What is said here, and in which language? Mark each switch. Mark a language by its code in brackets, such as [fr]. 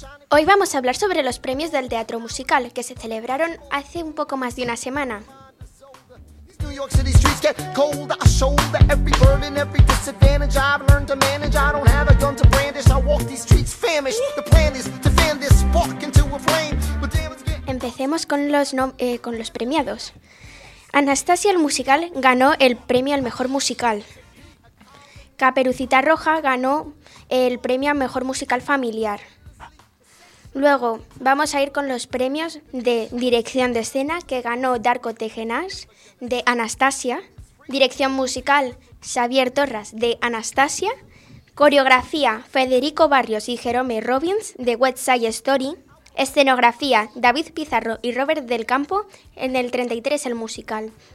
[es] Hoy vamos a hablar sobre los premios del teatro musical, que se celebraron hace un poco más de una semana. [en] New York City streets get cold, I shoulder every burden, every disadvantage I've learned to manage, I don't have a gun to brandish, I walk these streets famished, the plan is to fan this spark into a flame. [es] Empecemos con los premiados. Anastasia el musical ganó el premio al mejor musical. Caperucita Roja ganó el premio al mejor musical familiar. Luego vamos a ir con los premios de dirección de escena que ganó Darko Tejenas de Anastasia, dirección musical Xavier Torras de Anastasia, coreografía Federico Barrios y Jerome Robbins de West Side Story, escenografía David Pizarro y Robert del Campo en el 33 el musical,